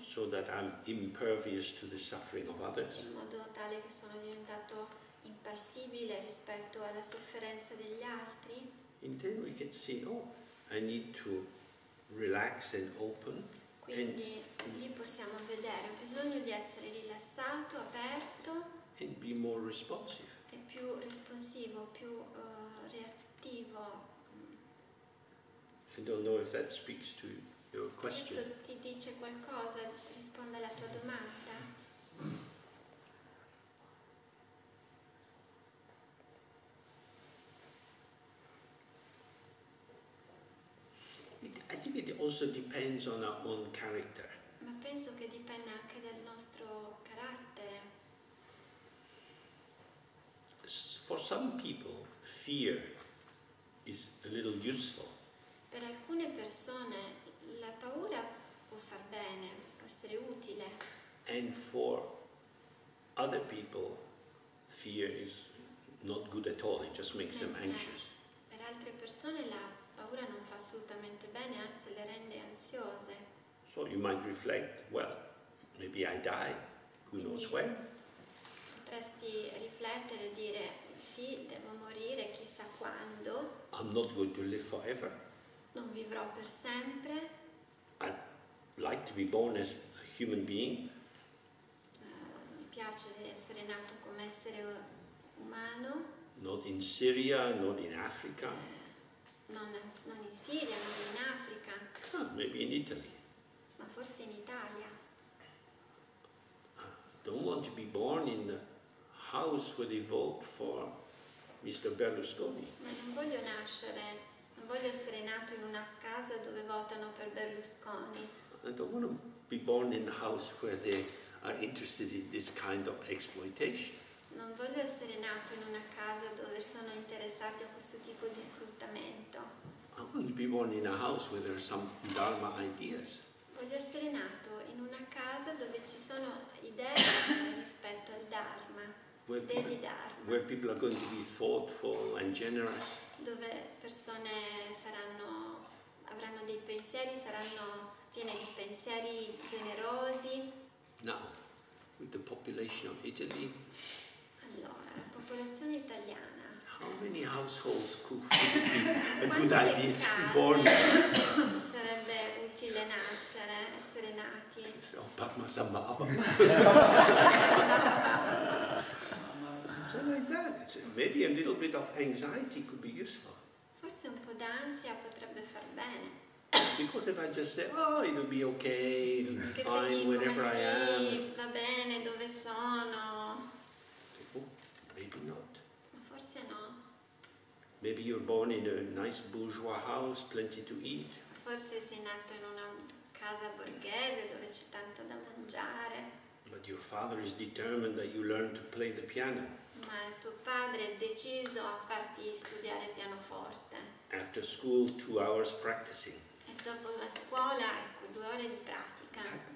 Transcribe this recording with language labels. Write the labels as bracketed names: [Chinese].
[English] So that I'm impervious to the suffering of others. [Italian] In modo tale che sono diventato impassibile rispetto alla sofferenza degli altri. [English] And then we can see, oh, I need to relax and open. [Italian] Quindi lì possiamo vedere, ho bisogno di essere rilassato, aperto. [English] And be more responsive. [Italian] È più responsivo, più reattivo. [English] I don't know if that speaks to your question. [Italian] Questo ti dice qualcosa? Risponde alla tua domanda? [English] I think it also depends on our own character. [Italian] Ma penso che dipenda anche dal nostro carattere. [English] For some people, fear is a little useful. [Italian] Per alcune persone la paura può far bene, può essere utile. [English] And for other people, fear is not good at all. It just makes them anxious. [Italian] Per altre persone la paura non fa assolutamente bene, anzi le rende ansiose. [English] So you might reflect, well, maybe I die. Who knows when? [Italian] Potresti riflettere e dire sì, devo morire, chissà quando. [English] I'm not going to live forever. [Italian] Non vivrò per sempre. [English] I'd like to be born as a human being. [Italian] Mi piace essere nato come essere umano. [English] Not in Syria, not in Africa. [Italian] Non in Siria, non in Africa. [English] Maybe in Italy. [Italian] Ma forse in Italia. [English] I don't want to be born in the house where they vote for Mr. Berlusconi. [Italian] Ma non voglio nascere. Non voglio essere nato in una casa dove votano per Berlusconi. [English] I don't want to be born in a house where they are interested in this kind of exploitation. [Italian] Non voglio essere nato in una casa dove sono interessati a questo tipo di sfruttamento. [English] I want to be born in a house where there are some Dharma ideas. [Italian] Voglio essere nato in una casa dove ci sono idee rispetto al Dharma, idee di Dharma. [English] Where people are going to be thoughtful and generous. [Italian] Dove persone saranno, avranno dei pensieri, saranno piene di pensieri generosi. [English] Now, with the population of Italy. [Italian] Allora, la popolazione italiana. [English] How many households could be a good idea to be born? [Italian] Sarebbe utile nascere, essere nati. [English] So, Padmasambhava. So like that, maybe a little bit of anxiety could be useful. [Italian] Forse un po' d'ansia potrebbe far bene. [English] Because if I just say, oh, it'll be okay, it'll be fine, wherever [Italian] sì, [English] I am. [Italian] Va bene, dove sono? [English] Maybe not. [Italian] Ma forse no. [English] Maybe you're born in a nice bourgeois house, plenty to eat. [Italian] Forse sei nato in una casa borghese dove c'è tanto da mangiare. [English] But your father is determined that you learn to play the piano. [Italian] Ma tuo padre è deciso a farti studiare pianoforte. [English] After school, 2 hours practicing. [Italian] E dopo la scuola, ecco, 2 ore di pratica.